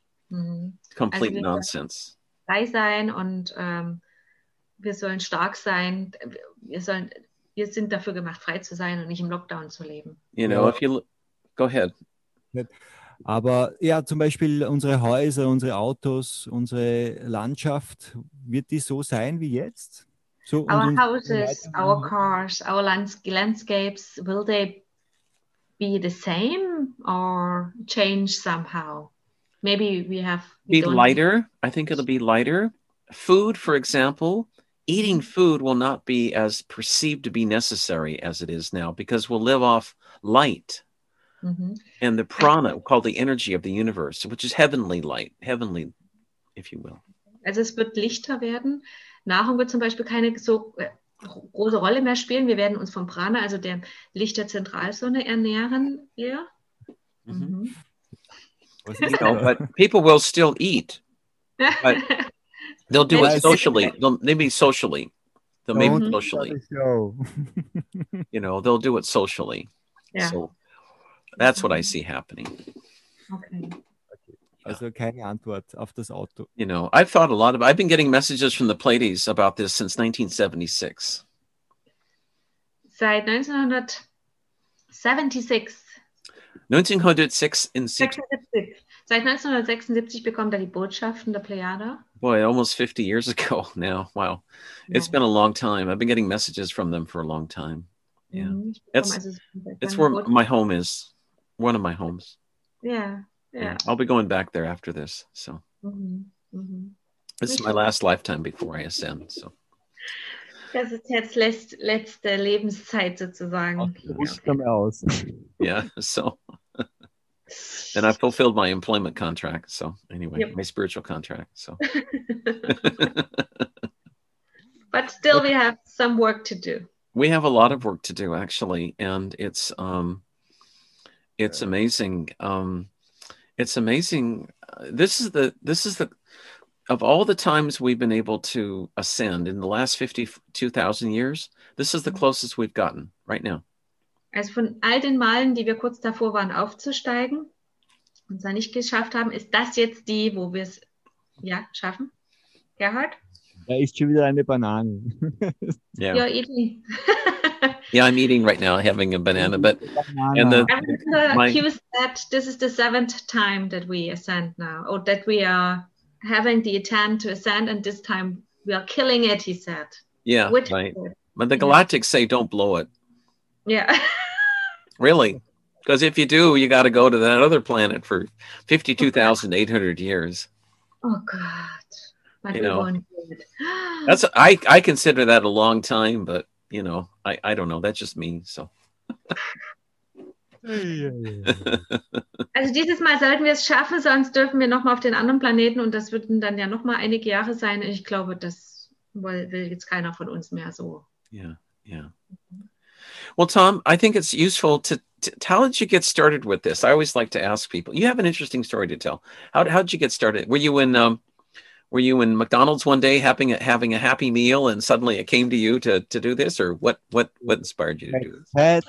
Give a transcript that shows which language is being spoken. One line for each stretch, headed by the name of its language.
English: Mm-hmm. Complete nonsense.
German: Frei sein und wir sollen stark sein. Wir sind dafür gemacht, frei zu sein und nicht im Lockdown zu leben.
English: You know, if you go ahead.
German: Aber ja, zum Beispiel unsere Häuser, unsere Autos, unsere Landschaft, wird die so sein wie jetzt?
English: So, our houses, our cars, our landscapes, will they be the same or change somehow? Maybe we have... Be lighter. I think it'll be lighter. Food, for example. Eating food will not be as perceived to be necessary as it is now, because we'll live off light and the prana, called the energy of the universe, which is heavenly light. Heavenly, if you will.
German: Also es wird lichter werden. Nahrung wird zum Beispiel keine so große Rolle mehr spielen. Wir werden uns vom Prana, also der Licht der Zentralsonne, ernähren. Ja.
English: You know, but people will still eat. But they'll do it socially. Maybe socially. You know, they'll do it socially. Yeah. So that's what I see happening. Okay.
German: Also keine Antwort auf das Auto.
English: You know, I've thought a lot of. I've been getting messages from the Pleiades about this since 1976.
German: Seit 1976.
English: 1906 in 76.
German: Seit 1976 bekommt er die Botschaften der Plejada.
English: Boy, almost 50 years ago now. Wow. It's been a long time. I've been getting messages from them for a long time. Yeah. It's where my home is. One of my homes. Yeah. I'll be going back there after this. So. Mm-hmm. This is my last lifetime before I ascend. So.
German: Das ist jetzt letzte Lebenszeit sozusagen. Okay. Aus.
English: Yeah, so. And I fulfilled my employment contract, so anyway, my spiritual contract, so. But still, we have some work to do. We have a lot of work to do, actually, and it's It's amazing. It's amazing. This is the of all the times we've been able to ascend in the last 52,000 years, this is the closest we've gotten right now.
German: Also von all den Malen, die wir kurz davor waren, aufzusteigen und es nicht geschafft haben, ist das jetzt die, wo wir es ja schaffen? Gerhard? Da ist schon wieder eine Banane.
English: Yeah. You're eating. Yeah, I'm eating right now, having a banana. But and the cues that this is the seventh time that we ascend now, or that we are having the attempt to ascend, and this time we are killing it, he said. Yeah, which right. But the Galactics say don't blow it. Yeah. Really? Because if you do, you got to go to that other planet for 52,800 years. Oh, God. But you know, that's I consider that a long time, but. You know, I don't know. That's just me, so.
German: Also dieses Mal sollten wir es schaffen, sonst dürfen wir nochmal auf den anderen Planeten und das würden dann ja nochmal einige Jahre sein. Und ich glaube, das will jetzt keiner von uns mehr so.
English: Yeah, yeah. Well, Tom, I think it's useful to how did you get started with this? I always like to ask people. You have an interesting story to tell. How did you get started? Were you in McDonald's one day having a happy meal and suddenly it came to you to do this, or what inspired you to do this?